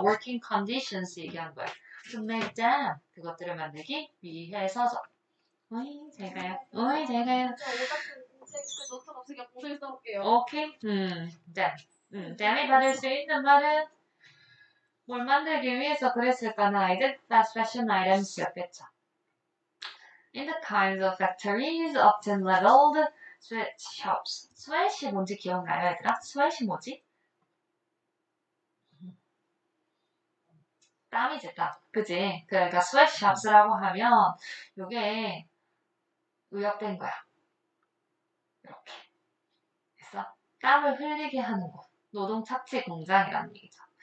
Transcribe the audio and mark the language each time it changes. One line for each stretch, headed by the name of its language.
English: Working conditions
Korean: 얘기하는 거야.
English: To make them,
Korean: 그것들을 만들기 위해서죠. 어이 제가요. 어이 제가요. 그 노트 없으니까 보고 써볼게요. 오케이. 댐이 받을 수 있는 말은 뭘 만들기 위해서 그랬을까나 아이들?
English: The fashion items 였겠죠. In the kinds of factories often labeled sweatshops.
Korean: 스웨시 뭔지 기억나요 얘들아? 스웨시 뭐지? 땀이지 땀. 그치? 그러니까 스웨시샵스라고 하면 요게 의역된 거야. 이렇게 됐어? 땀을 흘리게 하는 곳, 노동 착취 공장이라는 얘기죠.